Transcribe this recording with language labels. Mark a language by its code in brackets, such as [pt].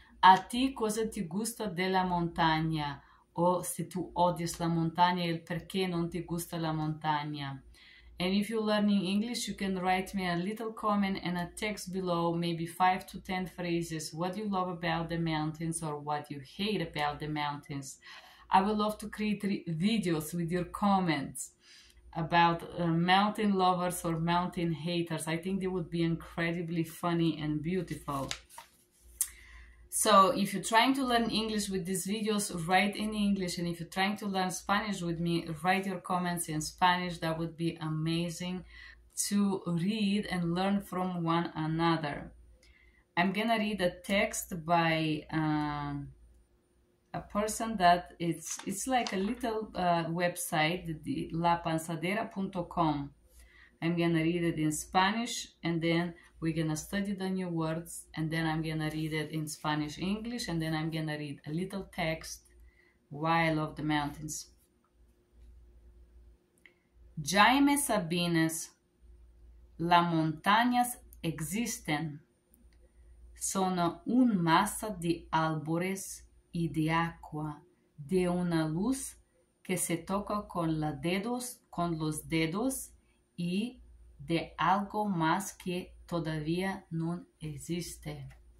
[es] ¿A ti cosa te gusta de la montaña? O si tú odias la montaña, el por qué no te gusta la montaña. [en] And if you're learning English, you can write me a little comment and a text below, maybe 5 to 10 phrases, what you love about the mountains or what you hate about the mountains. I would love to create videos with your comments about mountain lovers or mountain haters. I think they would be incredibly funny and beautiful. So, if you're trying to learn English with these videos, write in English. And if you're trying to learn Spanish with me, write your comments in Spanish. That would be amazing to read and learn from one another. I'm gonna read a text by a person that it's like a little website, the lapensadera.com. I'm gonna read it in Spanish and then we're gonna study the new words, and then I'm gonna read it in Spanish English, and then I'm gonna read a little text while of the mountains. [es] Jaime Sabines, Las montañas existen, son un masa de árboles y de agua, de una luz que se toca con los dedos, y de algo más que todavía no existe.